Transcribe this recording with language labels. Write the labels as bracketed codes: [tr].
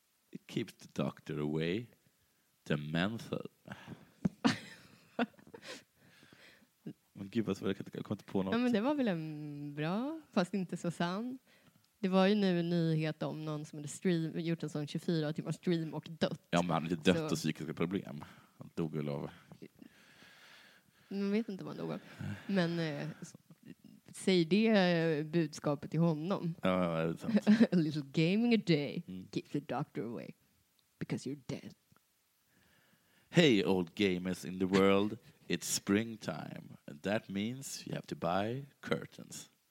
[en] It keeps the doctor away. The mental... [sv] Men gud, vad jag kom inte på något. Ja, men det var väl en bra, fast inte så sann. Det var ju nu en nyhet om någon som hade gjort en sån 24 timmar stream och dött. Ja, men han hade dött av psykiska problem. Han dog ju av... Man vet inte vad han dog av. Men säg det budskapet till honom. Ja, det är sant. [en] A little gaming a day keeps the doctor away because you're dead. Hey, old gamers in the world. It's springtime, and that means you have to buy curtains.